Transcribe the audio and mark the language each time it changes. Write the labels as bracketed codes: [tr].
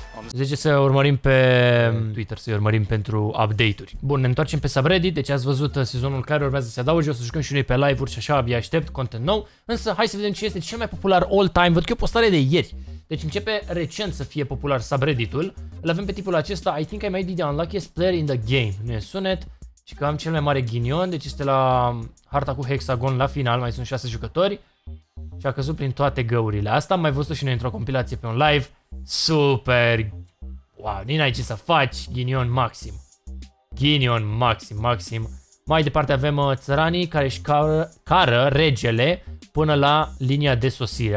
[ro] Zice să urmărim pe Twitter, să-i urmărim pentru update-uri. Bun, ne întoarcem pe subreddit. Deci ați văzut sezonul care urmează să se adauge. O să jucăm și noi pe live-uri și așa, abia aștept content nou. Însă hai să vedem ce este cel mai popular all time. Văd că e o postare de ieri. Deci începe recent să fie popular subreddit-ul. Îl avem pe tipul acesta. [en] I think I might be the unluckiest player in the game. [ro] Nu e sunet. Și că am cel mai mare ghinion, deci este la harta cu hexagon la final, mai sunt 6 jucători. Și a căzut prin toate găurile. Asta am mai văzut și noi într-o compilație pe un live. Super! Wow, n-ai ce să faci, ghinion maxim. Ghinion maxim, maxim. Mai departe avem țăranii care își cară regele până la linia de sosire.